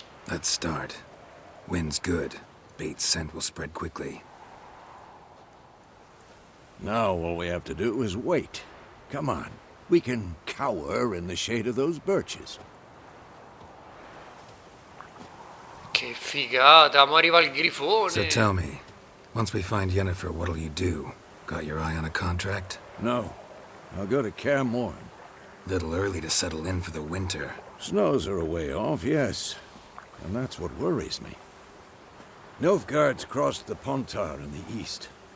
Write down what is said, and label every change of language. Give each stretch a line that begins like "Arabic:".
English: Let's start. Wind's good. Bait's scent will spread quickly. Now all we have to do is wait. Come on, we can cower in the shade of those birches.
Italian: Che figata, mo arriva il grifone!
English: So tell me, once we find Yennefer, what'll you do? Got your eye on a contract? No. I'll go to Kaer Morhen. Little early to settle in for the winter. Snows are a way off, yes. And that's what worries me. Nilfgaard's crossed the Pontar in the east.